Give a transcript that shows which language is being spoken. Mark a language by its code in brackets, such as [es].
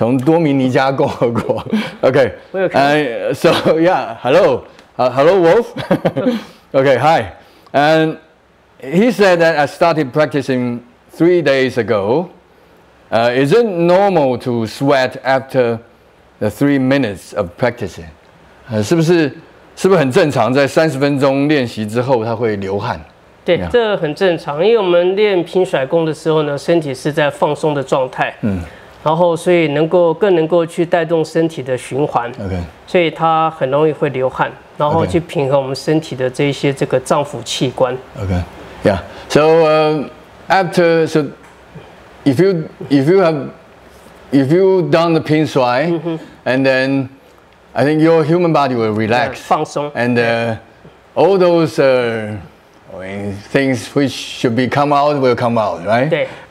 [zh] 从多米尼加共和国. [en] Okay. So, yeah, hello. Hello, Wolf. Okay, hi. And he said that I started practicing 3 days ago. Is it normal to sweat after the 3 minutes of practicing? [zh] 是不是很正常，在30分钟练习之后，他会流汗？对，这很正常，因为我们练平甩功的时候呢，身体是在放松的状态，然后所以能够更能够去带动身体的循环，所以它很容易会流汗，然后去平衡我们身体的这些这个脏腑器官。So [en] if you done the Pingshuai, and then I think your human body will relax, [zh] 放松, [en] and all those things which should be come out will come out, right?